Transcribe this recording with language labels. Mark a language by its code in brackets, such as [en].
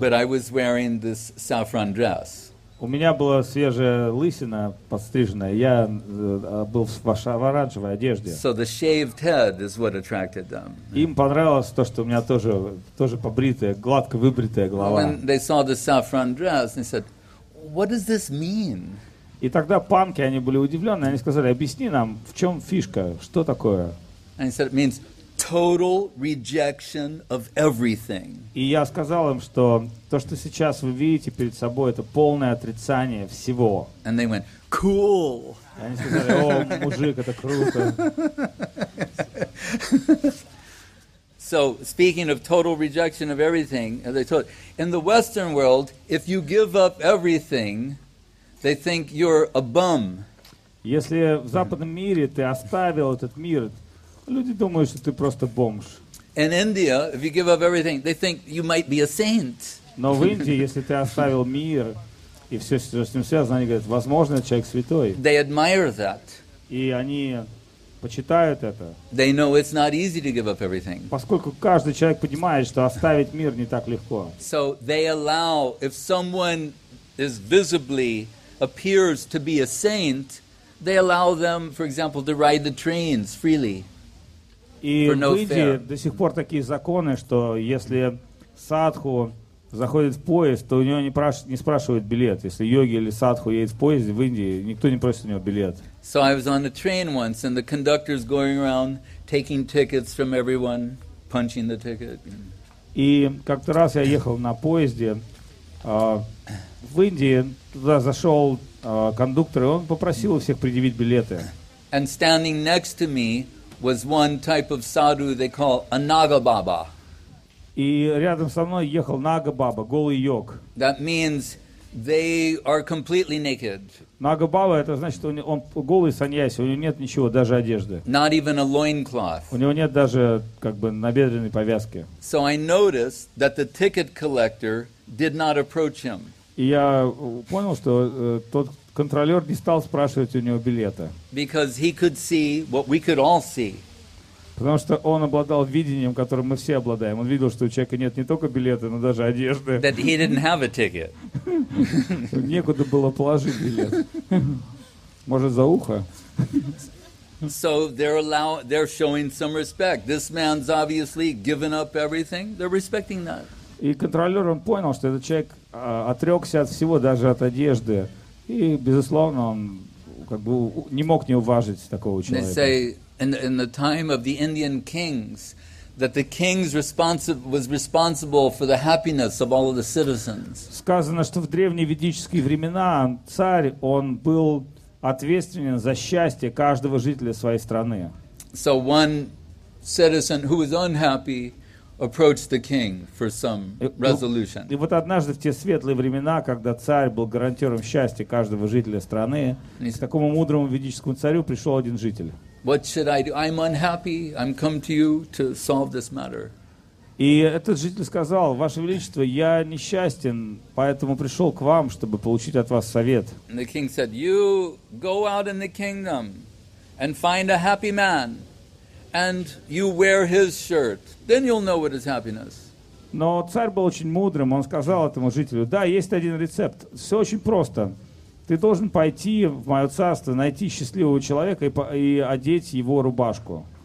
[en] But I was wearing this saffron dress. [ru] У меня была свежая лысина подстриженная. Я был в оранжевой одежде. [en] So the shaved head is what attracted them. [ru] Им понравилось то, что у меня тоже побритая, гладко выбритая голова. [en] When they saw the saffron dress, they said, "What does this mean?" [ru] И тогда панки, они были удивлены, они сказали, объясни нам, в чем фишка, что такое? [en] And he said, it means total rejection of everything. [ru] И я сказал им, что то, что сейчас вы видите перед собой, это полное отрицание всего. [en] And they went, cool. [ru] И они сказали, о, мужик, это круто. [en] So, speaking of total rejection of everything, as I told, in the Western world, if you give up everything, they think you're a bum. [ru] Если в западном мире ты оставил этот мир, люди думают, что ты просто бомж. [en] In India, if you give up everything, they think you might be a saint. [ru] Но в Индии, если ты оставил мир и все, что с ним связано, они говорят, возможно, человек святой. [en] They admire that. [ru] И они почитают это. [en] They know it's not easy to give up everything. [ru] Поскольку каждый человек понимает, что оставить мир не так легко. [en] So they allow if someone is visibly appears to be a saint, they allow them, for example, to ride the trains freely. [ru] И [en] for no fare. [ru] До сих пор такие законы, что если садху заходит в поезд, то у него не спрашивают билет. Если йоги или садху едет в поезде в Индии, никто не просит у него билет. [en] So I was on the train once, and the conductor's going around taking tickets from everyone, punching the ticket. [ru] И как-то раз я ехал на поезде в Индии, туда зашел кондуктор, и он попросил у всех предъявить билеты. [en] And standing next to me was one type of sadhu they call a Nagababa. [ru] И рядом со мной ехал Нагабаба, голый йог. [en] That means they are completely naked. [ru] Нагабаба — это значит, что он голый саньяси, у него нет ничего, даже одежды. [en] Not even a loincloth. [ru] У него нет даже как бы набедренной повязки. [en] So I noticed that the ticket collector did not approach him. [ru] И я понял, что тот контролер не стал спрашивать у него билета. [en] Because he could see what we could all see. [ru] Потому что он обладал видением, которым мы все обладаем. Он видел, что у человека нет не только билета, но даже одежды. [en] That he didn't have a ticket. [ru] Некуда было положить билет. Может, за ухо? [en] So they're showing some respect. This man's obviously given up everything. They're respecting that. [ru] И контролер, он понял, что этот человек отрекся от всего, даже от одежды. И, безусловно, он как бы не мог не уважить такого человека. [en] They say, in the time of the Indian kings, that the kings was responsible for the happiness of all of the citizens. [ru] Сказано, что в древние ведические времена царь, он был ответственен за счастье каждого жителя своей страны. [en] So one citizen who was unhappy approached the king for some resolution. [ru] И вот однажды в те светлые времена, когда царь был гарантером счастья каждого жителя страны, к такому мудрому ведическому царю пришел один житель. [en] What should I do? I'm unhappy. I'm come to you to solve this matter. [ru] И этот житель сказал: Ваше величество, я несчастен, поэтому пришел к вам, чтобы получить от вас совет. [en] And the king said, "You go out in the kingdom and find a happy man, and you wear his shirt. Then you'll know what is happiness." [ru] Но царь был очень мудрым. Он сказал этому жителю: Да, есть один рецепт. Все очень просто. Ты должен пойти в мое царство, найти счастливого человека и одеть его рубашку.